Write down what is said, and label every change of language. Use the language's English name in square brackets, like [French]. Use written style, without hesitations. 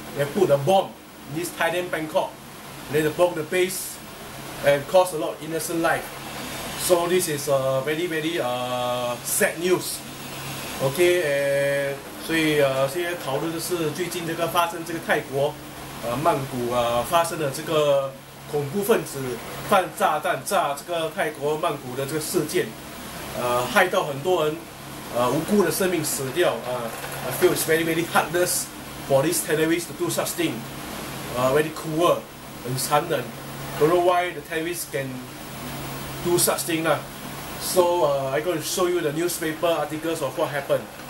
[English] They put a bomb in this Thailand Bangkok. Then they bomb the base and cause a lot of innocent life. So this is a very sad news. Okay, and [Chinese] 所以现在讨论的是最近这个发生这个泰国曼谷发生的这个恐怖分子放炸弹炸这个泰国曼谷的这个事件，害到很多人。无辜的生命死掉。 [English] I feel it's very heartless for these terrorists to do such thing. Very cruel, [Chinese] 很残忍. [English] Don't know why the terrorists can do such thing. So I'm going to show you the newspaper articles of what happened.